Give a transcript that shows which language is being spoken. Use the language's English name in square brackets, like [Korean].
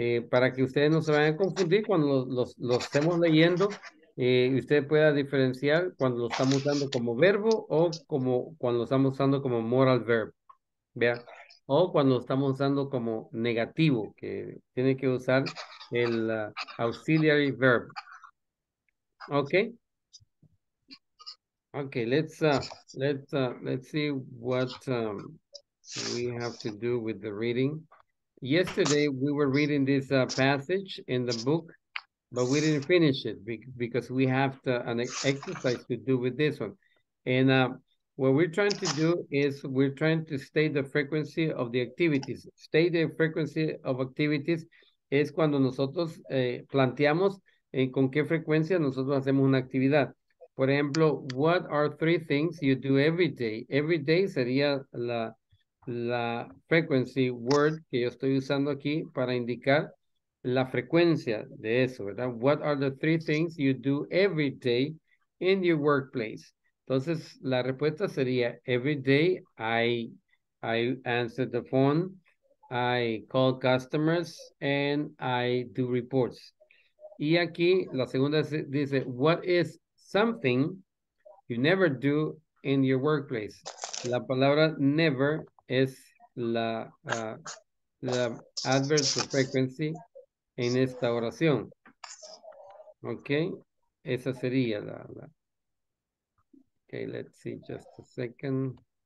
[Spanish] Para que ustedes no se vayan a confundir cuando los estemos leyendo, usted pueda diferenciar cuando lo estamos usando como verbo o como cuando lo estamos usando como modal verb, ¿vea? O cuando lo estamos usando como negativo, que tiene que usar el auxiliary verb. [English] Okay, let's see what we have to do with the reading. Yesterday we were reading this passage in the book, but we didn't finish it because we have to, an exercise to do with this one. And what we're trying to do is we're trying to state the frequency of the activities. State the frequency of activities [Spanish] es cuando nosotros planteamos con qué frecuencia nosotros hacemos una actividad. Por ejemplo, [English] what are three things you do every day? [Spanish] Every day sería la frequency word que yo estoy usando aquí para indicar la frecuencia de eso, ¿verdad? [English] What are the three things you do every day in your workplace? [Spanish] Entonces, la respuesta sería, [English] every day I answer the phone, I call customers, and I do reports. [Spanish] Y aquí, la segunda dice, [English] what is something you never do in your workplace? [Spanish] La palabra never es la la adverb of frequency en esta oración. [English] Okay, [Spanish] esa sería la. [English] Okay, let's see just a second.